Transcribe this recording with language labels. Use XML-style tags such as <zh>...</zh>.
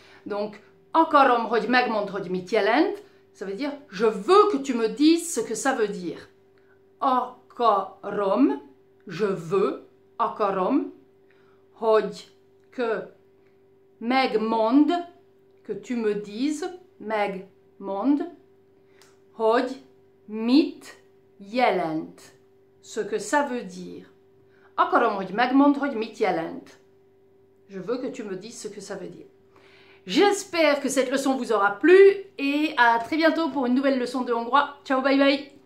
<fr>Donc, «</fr> <hu>akarom, hogy megmond, hogy mit jelent</hu> <fr>», ça veut dire « je veux que tu me dises ce que ça veut dire ».« Akarom », je veux, « akarom », »,« hogy », que, « megmond », que tu me dises, « megmond », »,« hogy », mit jelent, ce que ça veut dire.</fr> <hu>Akarom, hogy megmond, hogy mit jelent.</hu> <fr>Je veux que tu me dises ce que ça veut dire. J'espère que cette leçon vous aura plu et à très bientôt pour une nouvelle leçon de hongrois. Ciao,</fr> <en>bye bye!</en>